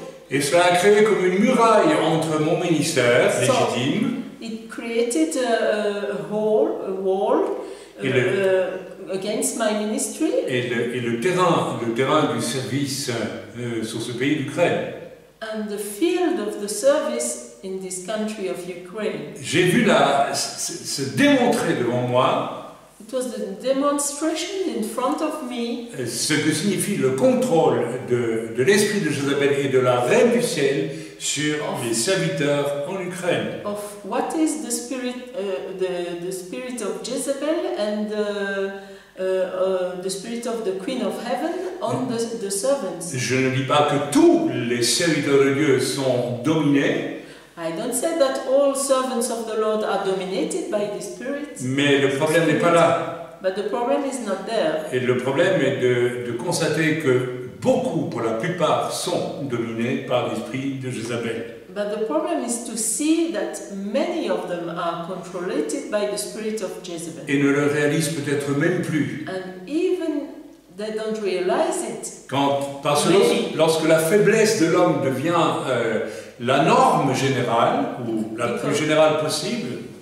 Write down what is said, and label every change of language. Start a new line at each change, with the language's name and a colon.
French: Et cela a créé comme une muraille entre mon ministère légitime.
English: It created a wall.
French: Et le,
English: against my ministry.
French: Et le terrain du service sur ce pays d'Ukraine.
English: And the field of the service in this country of Ukraine.
French: J'ai vu là se démontrer devant moi.
English: It was the demonstration in front of me.
French: Ce que signifie le contrôle de l'esprit de Jézabel et de la reine du ciel sur les serviteurs en Ukraine.
English: Of what is the spirit, the spirit of Jezebel and the spirit of the Queen of Heaven on the servants.
French: Je ne dis pas que tous les serviteurs de Dieu sont dominés.
English: I don't say that all servants of the Lord are dominated by the Spirit.
French: Mais le problème n'est pas là.
English: But the problem is not there.
French: Et le problème est de constater que beaucoup, pour la plupart, sont dominés par l'esprit de Jézabel.
English: But the problem is to see that many of them are controlled by the spirit of Jezebel.
French: Et ne le réalisent peut-être même plus.
English: And even they don't realize it.
French: Quand, parce que lorsque la faiblesse de l'homme devient la norme générale ou la plus générale possible.